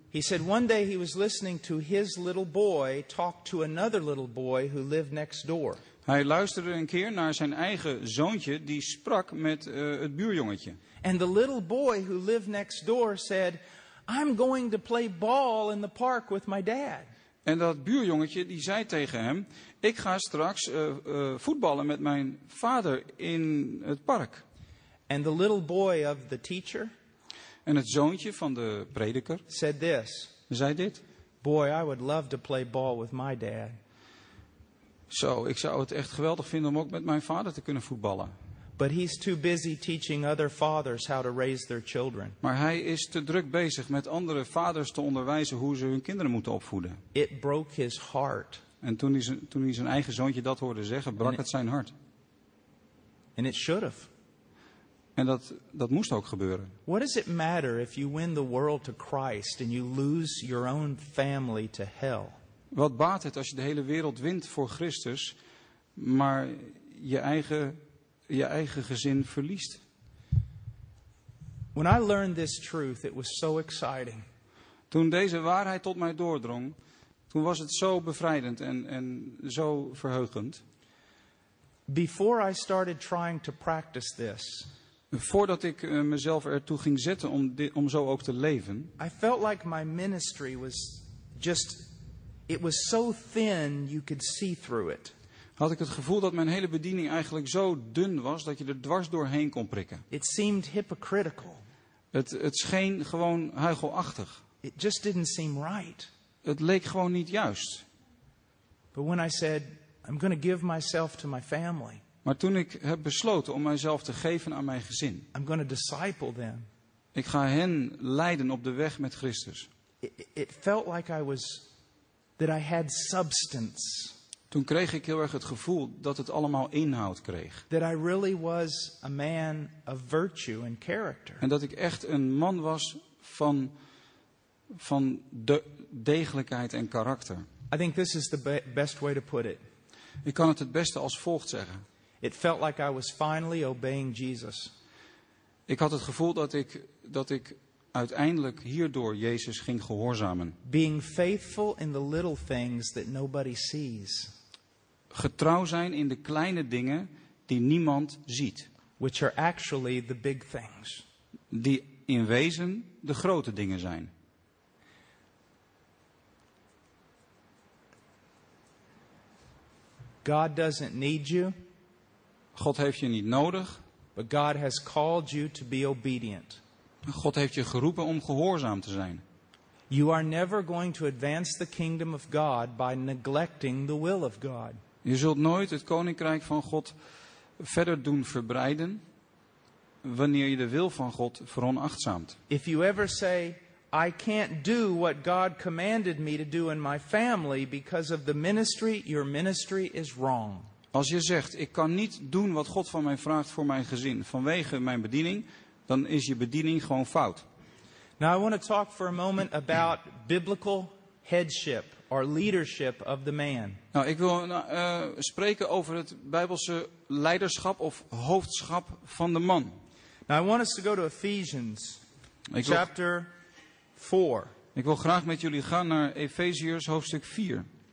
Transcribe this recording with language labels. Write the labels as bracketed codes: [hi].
[en] He said one day he was listening to his little boy talk to another little boy who lived next door. [nl] Hij luisterde een keer naar zijn eigen zoontje die sprak met het buurjongetje. [en] And the little boy who lived next door said, I'm going to play ball in the park with my dad. [nl] En dat buurjongetje die zei tegen hem, ik ga straks voetballen met mijn vader in het park. [en] And the little boy of the teacher. [nl] En het zoontje van de prediker. [en] Said this. [nl] Zei dit. [en] Boy, I would love to play ball with my dad. [nl] Zo, ik zou het echt geweldig vinden om ook met mijn vader te kunnen voetballen. [en] But he's too busy teaching other fathers how to raise their children. [nl] Maar hij is te druk bezig met andere vaders te onderwijzen hoe ze hun kinderen moeten opvoeden. [en] It broke his heart. [nl] En toen hij zijn eigen zoontje dat hoorde zeggen, brak het zijn hart. [en] And it should have. [nl] En dat moest ook gebeuren. [en] What does it matter if you win the world to Christ and you lose your own family to hell? [nl] Wat baat het als je de hele wereld wint voor Christus, maar je eigen gezin verliest? [en] When I learned this truth, it was so exciting. [nl] Toen deze waarheid tot mij doordrong, toen was het zo bevrijdend en zo verheugend. [en] Before I started trying to practice this, [nl] voordat ik mezelf ertoe ging zetten om zo ook te leven, [en] I felt like my ministry was just, it was so thin you could see through it. [nl] had ik het gevoel dat mijn hele bediening eigenlijk zo dun was dat je er dwars doorheen kon prikken. [en] It seemed hypocritical. [nl] Het scheen gewoon huichelachtig. [en] It just didn't seem right. [nl] Het leek gewoon niet juist. [en] But when I said, I'm going to give myself to my family. [nl] Maar toen ik heb besloten om mijzelf te geven aan mijn gezin. [en] I'm going to disciple them. [nl] Ik ga hen leiden op de weg met Christus. [en] It felt like I was, that I had substance. [nl] Toen kreeg ik heel erg het gevoel dat het allemaal inhoud kreeg. [en] That I really was a man of virtue and character. [nl] En dat ik echt een man was van degelijkheid en karakter. [en] I think this is the best way to put it. [nl] Ik kan het beste als volgt zeggen. [en] It felt like I was finally obeying Jesus. [nl] Ik had het gevoel dat ik uiteindelijk hierdoor Jezus ging gehoorzamen. [en] Being faithful in the little things that nobody sees. [nl] Getrouw zijn in de kleine dingen die niemand ziet. [en] Which are actually the big things. [nl] Die in wezen de grote dingen zijn. [en] God doesn't need you. [nl] God heeft je niet nodig. [en] But God has called you to be obedient. [nl] God heeft je geroepen om gehoorzaam te zijn. [en] You are never going to advance the kingdom of God by neglecting the will of God. [nl] Je zult nooit het koninkrijk van God verder doen verbreiden wanneer je de wil van God veronachtzaamt. [en] If you ever say, I can't do what God commanded me to do in my family because of the ministry, your ministry is wrong. [nl] Als je zegt, ik kan niet doen wat God van mij vraagt voor mijn gezin vanwege mijn bediening, dan is je bediening gewoon fout. [en] Now I want to talk for a moment about biblical headship or leadership of the man. [nl] Nou, ik wil spreken over het Bijbelse leiderschap of hoofdschap van de man. [en] Now I want us to go to Ephesians chapter 4. [nl] Ik wil graag met jullie gaan naar Efeziërs hoofdstuk 4.